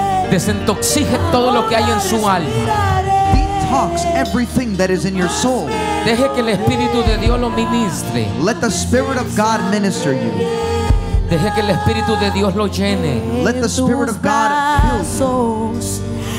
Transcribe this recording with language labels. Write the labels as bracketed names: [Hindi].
[Spanish] Desintoxique todo lo que hay en su alma. [English] Detox everything that is in your soul. [Spanish] Deje que el Espíritu de Dios lo ministre. [English] Let the Spirit of God minister you. [Spanish] Deje que el Espíritu de Dios lo llene. [English] Let the Spirit of God fill you.